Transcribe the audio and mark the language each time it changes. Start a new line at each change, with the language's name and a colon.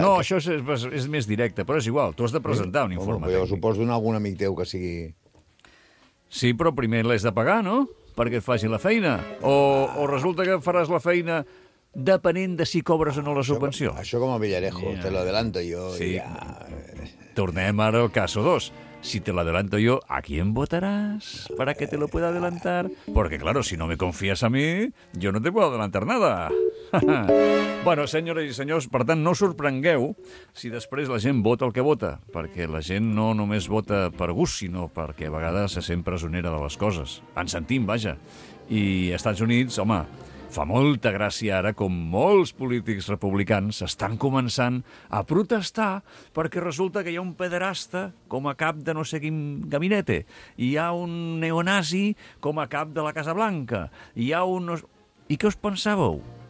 Catalan: No, això és més directe, però és igual, tu has de presentar un informe tècnic. Jo ho pots donar a algun amic teu que sigui... Sí, però primer l'has de pagar, no?, perquè et faci la feina. O resulta que faràs la feina depenent de si cobres o no la subvenció. Això com a Villarejo, yeah.
Spanish: Te lo adelanto yo.
Catalan: Sí. Yeah. Tornem ara al caso 2.
Spanish: Si te lo adelanto yo, ¿a quién votarás para que te lo pueda adelantar? Porque claro, si no me confías a mí, yo no te puedo adelantar nada.
Catalan: Bueno, senyores i senyors, per tant, no sorprengueu si després la gent vota el que vota, perquè la gent no només vota per gust, sinó perquè a vegades se sent presonera de les coses. En sentim, vaja. I Estats Units, home, fa molta gràcia ara com molts polítics republicans estan començant a protestar perquè resulta que hi ha un pederasta com a cap de no sé quin gabinete, hi ha un neonazi com a cap de la Casa Blanca, hi ha un... I què us pensàveu?